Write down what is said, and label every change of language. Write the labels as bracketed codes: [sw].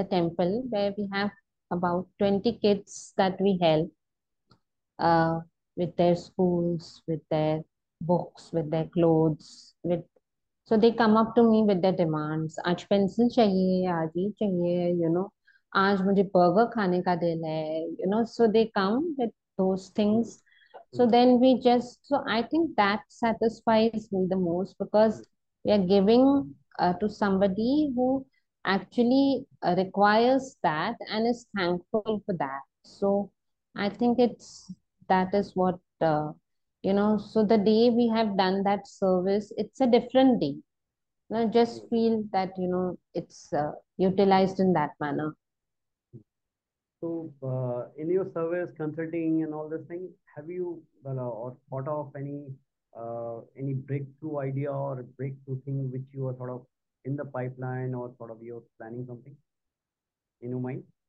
[en] the temple, where we have about 20 kids that we help with their schools, with their books, with their clothes, with so they come up to me with the demands, [hi] आज pencil चाहिए, आज ये चाहिए, [en] you know [hi] आज मुझे burger खाने का दिल है, [en] You know so they come with those things. So then we just, so I think that satisfies me the most, because we are giving to somebody who actually requires that and is thankful for that. So I think it's that is what you know so the day we have done that service, it's a different day. ना just feel that you know it's utilized in that manner. So, in your service consulting and all this thing, have you or thought of any breakthrough idea or breakthrough thing which you are sort of in the pipeline or sort of you're planning something in your mind?